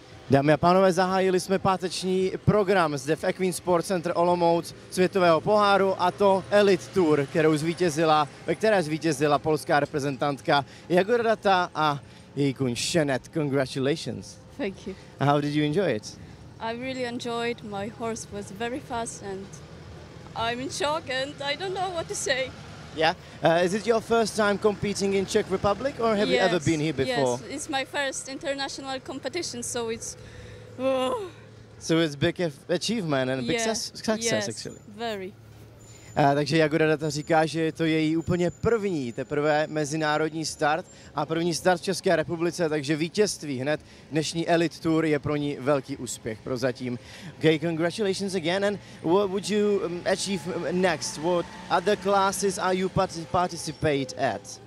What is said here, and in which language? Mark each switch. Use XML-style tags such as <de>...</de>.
<cs>Dámy a pánové, zahájili jsme páteční program zde v Equin Sport Center Olomouc světového poháru, a to Elite Tour, ve které zvítězila polská reprezentantka Jagoda Data a její kůň Shenet.</cs> <en>Congratulations. Thank you. How did you enjoy it? I really enjoyed. My horse was very fast and I'm in shock and I don't know what to say. Yeah. Is it your first time competing in Czech Republic or have you ever been here before? Yes, it's my first international competition, so it's So it's a big achievement and a big success yes, actually. Yes, very.</en> <cs>Takže Jagoda Data říká, že je to její úplně první, teprve mezinárodní start a první start v České republice, takže vítězství hned dnešní Elite Tour je pro ní velký úspěch prozatím.</cs> <en>Okay, congratulations again, and what would you achieve next? What other classes are you participate at?</en>